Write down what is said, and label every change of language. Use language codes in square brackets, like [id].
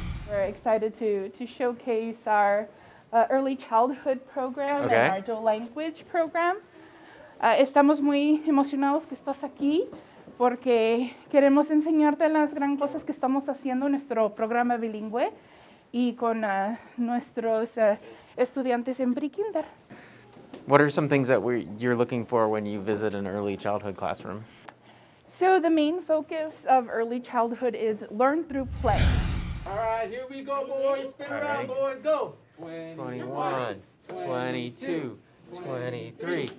[en] We're excited to showcase our early childhood program okay. and our dual language program. [es] Estamos muy emocionados que estás aquí porque queremos enseñarte las gran cosas que estamos haciendo en nuestro programa bilingüe y con nuestros estudiantes en pre-kinder. [en] What are some things that you're looking for when you visit an early childhood classroom? So the main focus of early childhood is learn through play. All right, here we go, boys. Spin around, boys. Go. 21, 22, 23.